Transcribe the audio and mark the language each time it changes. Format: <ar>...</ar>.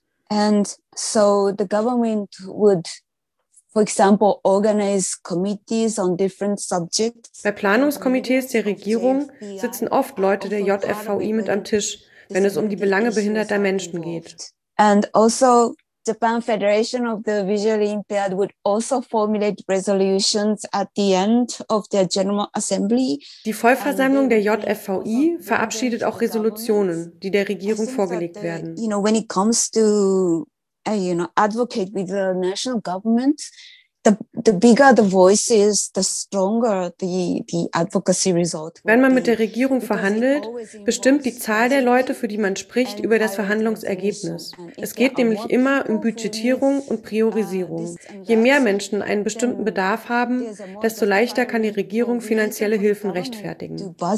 <en>And so the government would, for example, organize committees on different subjects.</en> <de>Bei Planungskomitees der Regierung sitzen oft Leute der JFVI mit am Tisch, wenn es um die Belange behinderter Menschen geht.</de> <en>And also Japan Federation of the Visually Impaired would also formulate resolutions at the end of their General Assembly.</en> <de>Die Vollversammlung der JFVI verabschiedet auch Resolutionen, die der Regierung vorgelegt werden.</de> <en>You know, when it comes to advocate with the national government, the bigger the voice is, the stronger the advocacy result.</en> <de>Wenn man mit der Regierung verhandelt, bestimmt die Zahl der Leute, für die man spricht, über das Verhandlungsergebnis. Es geht nämlich immer um Budgetierung und Priorisierung. Je mehr Menschen einen bestimmten Bedarf haben, desto leichter kann die Regierung finanzielle Hilfen rechtfertigen.</de>